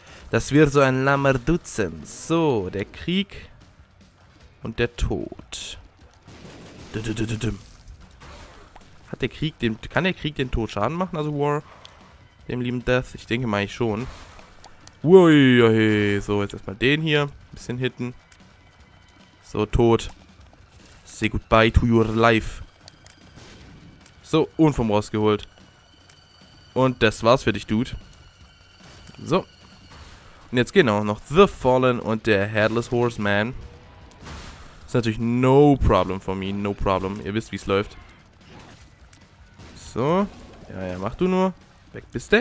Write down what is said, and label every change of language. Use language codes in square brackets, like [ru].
[de] Das wird so ein Lammerdutzen. So, der Krieg und der Tod. Hat der Krieg den... Kann der Krieg den Tod Schaden machen? Also War, dem lieben Death? Ich denke mal, ich schon. Uiuiui, so, jetzt erstmal den hier. Ein bisschen hitten. So, tot. [en] Say goodbye to your life. [de] So, und vom Ross geholt. Und das war's für dich, Dude. So. Und jetzt genau noch The Fallen und der Headless Horseman. Ist natürlich [en] no problem for me, no problem. [de] Ihr wisst, wie es läuft. So. Ja, ja, mach du nur. Weg bist du.